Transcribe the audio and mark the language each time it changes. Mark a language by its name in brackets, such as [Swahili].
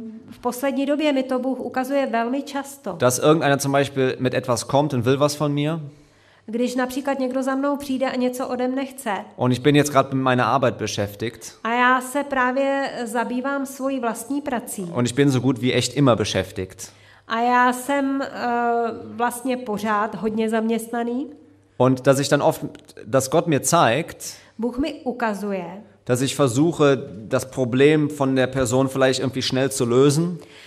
[Czech] V poslední době mi to Bůh ukazuje velmi často. [German] Dass irgendeiner zum Beispiel mit etwas kommt und will was von mir. [Czech] Když například někdo za mnou přijde a něco ode mne chce. [German] Und ich bin jetzt gerade mit meiner Arbeit beschäftigt. [Czech] A já se právě zabývám svojí vlastní prací. [German] Und ich bin so gut wie echt immer beschäftigt. [Czech] A já jsem vlastně pořád hodně zaměstnaný. [German] Und dass ich dann oft, dass Gott mir zeigt, [Czech] Bůh mi ukazuje, [German] dass ich versuche, das Problem von der Person vielleicht irgendwie schnell zu lösen.